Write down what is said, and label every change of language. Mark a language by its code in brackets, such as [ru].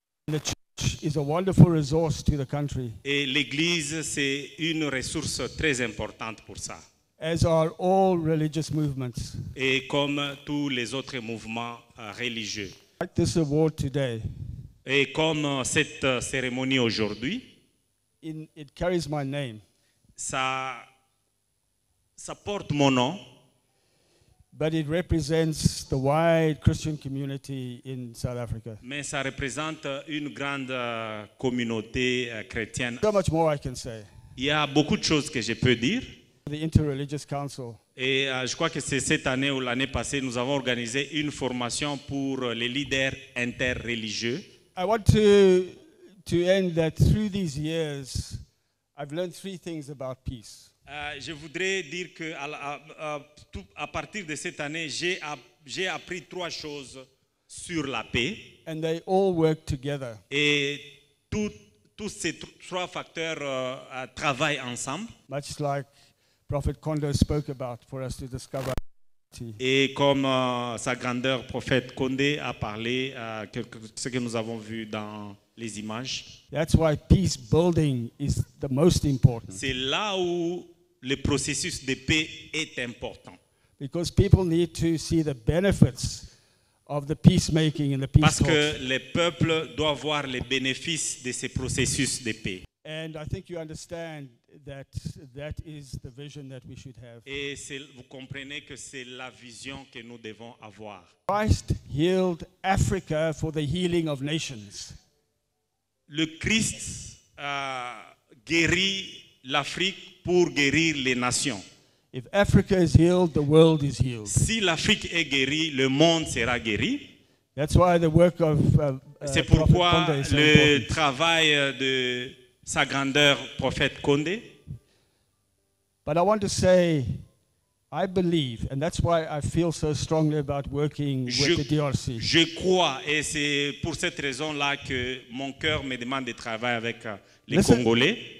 [en] The church is a wonderful resource to the country. [fr] Et l'église, c'est une ressource très importante pour ça. [en] As are all religious movements. [fr] Et comme tous les autres mouvements religieux. [en] Like this award today. [fr] Et comme cette cérémonie aujourd'hui. [en] It carries my name. [fr] Ça porte mon nom. [en] But it represents the wide Christian community in South Africa. [fr] Mais ça représente une grande communauté chrétienne. [en] So much more I can say. [fr] Il y a beaucoup de choses que je peux dire. [en] The Interreligious Council. [fr] Et je crois que c'est cette année ou l'année passée, nous avons organisé une formation pour les leaders interreligieux. [en] I want to end that through these years, I've learned three things about peace. [fr] Je voudrais dire que à partir de cette année, j'ai appris trois choses sur la paix. [en] And they all work together. [fr] Et tous ces trois facteurs travaillent ensemble. [en] Much like Prophet Kondo spoke about for us to discover. [fr] Et comme sa grandeur, prophète Kondé a parlé ce que nous avons vu dans les images. [en] That's why peace building is the most important. [fr] C'est là où le processus de paix est important. [en] Because people need to see the benefits of the peacemaking and the peace. [fr] Parce que les peuples doivent voir les bénéfices de ces processus de paix. [en] And I think you understand that is the vision that we should have. [fr] Et vous comprenez que c'est la vision que nous devons avoir. [en] Christ healed Africa for the healing of nations. [fr] Le Christ guérit l'Afrique pour guérir les nations. [en] If Africa is healed, the world is healed. [fr] Si l'Afrique est guérie, le monde sera guéri. [en] That's why the work of [fr] c'est pourquoi [en] Prophet Kondé is so [fr] le [en] important. [fr] Travail de sa grandeur, prophète Kondé. [en] But I want to say, I believe, and that's why I feel so strongly about working with the DRC. [fr] Je crois, et c'est pour cette raison-là que mon cœur me demande de travailler avec les Congolais.